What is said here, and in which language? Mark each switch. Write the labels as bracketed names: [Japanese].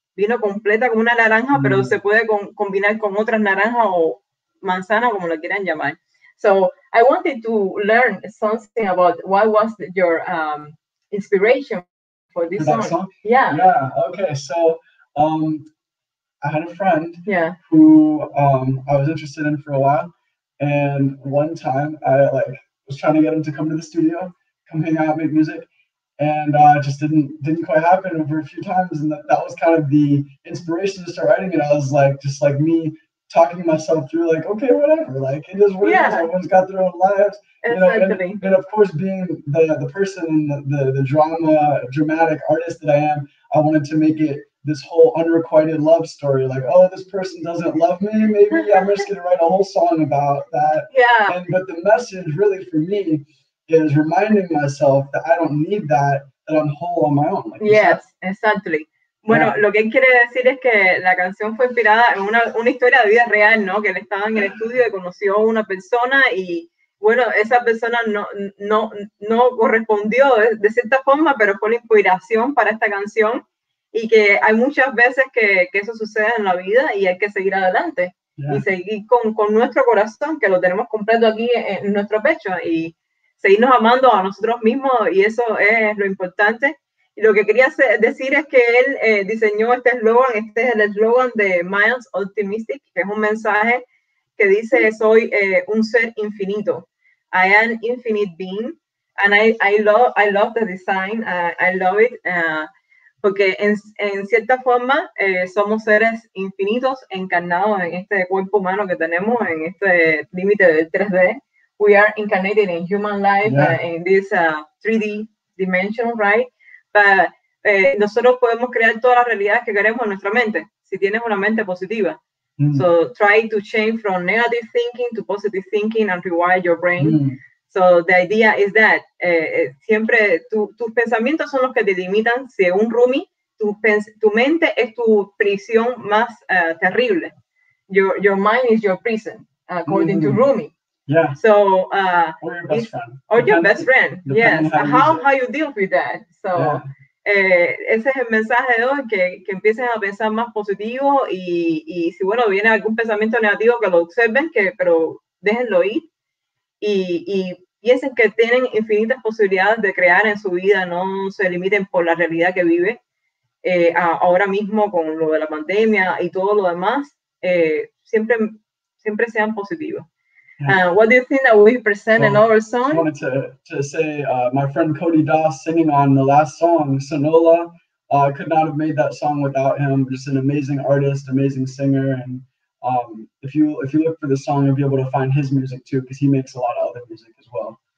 [Spanish] Vino completa como una naranja, pero se puede combinar con otras naranjas o manzanas, como lo quieran llamar. [English] So, I wanted to learn something about what was your inspiration for this song. I had a friend who I was interested in for a while, and one time I was trying to get him to come to the studio, come hang out, make music, and just didn't quite happen over a few times, and that was kind of the inspiration to start writing it. I was just me talking myself through okay, whatever, it is what it is. Everyone's got their own lives, and of course, being the person, the dramatic artist that I am, I wanted to make it this whole unrequited love story, this person doesn't love me, maybe I'm just gonna write a whole song about that. But the message really for me is reminding myself that I don't need that I'm whole on my own. Exactly. [Spanish] Bueno, lo que él quiere decir es que la canción fue inspirada en una historia de vida real, ¿no? Que él estaba en el estudio y conoció a una persona y, bueno, esa persona no correspondió de cierta forma, pero fue la inspiración para esta canción. Y que hay muchas veces que eso sucede en la vida y hay que seguir adelante. Y seguir con nuestro corazón, que lo tenemos completo aquí en nuestro pecho. Y seguirnos amando a nosotros mismos, y eso es lo importante. Y lo que quería decir es que él diseñó este eslogan, este es el eslogan de Miles Optimistic, que es un mensaje que dice, soy un ser infinito. [English] I am infinite being, and I love the design, I love it. [Spanish] Porque en cierta forma somos seres infinitos encarnados en este cuerpo humano que tenemos, en este límite del 3D. [English] We are incarnated in human life, in this 3D dimension, right? [Spanish] But nosotros podemos crear todas las realidades que queremos en nuestra mente, si tienes una mente positiva. [English] So try to change from negative thinking to positive thinking and rewire your brain. So the idea is that [Spanish] siempre tus pensamientos son los que te limitan. Según Rumi, tu mente es tu prisión más terrible. [English] Your mind is your prison, according to Rumi. So or your best friend. How you deal with that? [Spanish] So ese es el mensaje de hoy, que empiecen a pensar más positivo, y si bueno viene algún pensamiento negativo, que lo observen, pero déjenlo ir, y piensen que tienen infinitas posibilidades de crear en su vida, no se limiten por la realidad que vive. Ahora mismo, con lo de la pandemia y todo lo demás, siempre sean positivos. [English] What do you think that we present in our song? I wanted to say, my friend Cody Doss singing on the last song, Sonola, could not have made that song without him. Just an amazing artist, amazing singer, and if you look for the song, you'll be able to find his music too, because he makes a lot of other music as well.